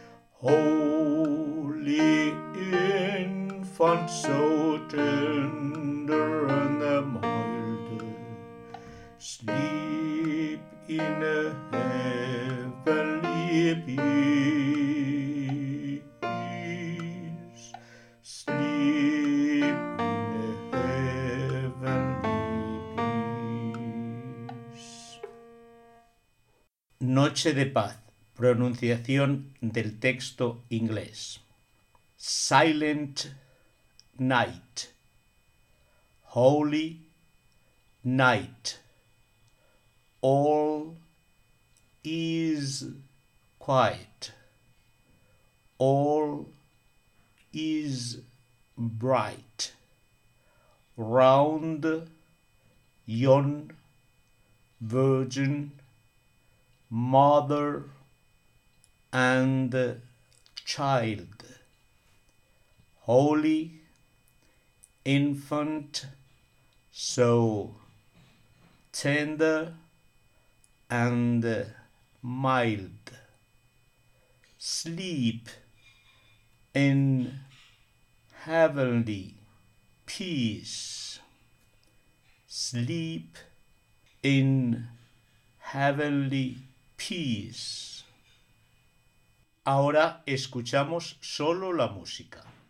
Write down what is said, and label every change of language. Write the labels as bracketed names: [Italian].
[English] Holy infant, so tender and mild, sleep in a heavenly peace, sleep in a heavenly peace. [Spanish] Noche de paz. Pronunciación del texto inglés. [English] Silent night, holy night, all is quiet, all is bright, round yon virgin mother and child, holy infant, so tender and mild. Sleep in heavenly peace. Sleep in heavenly peace. [Spanish] Ahora escuchamos solo la música.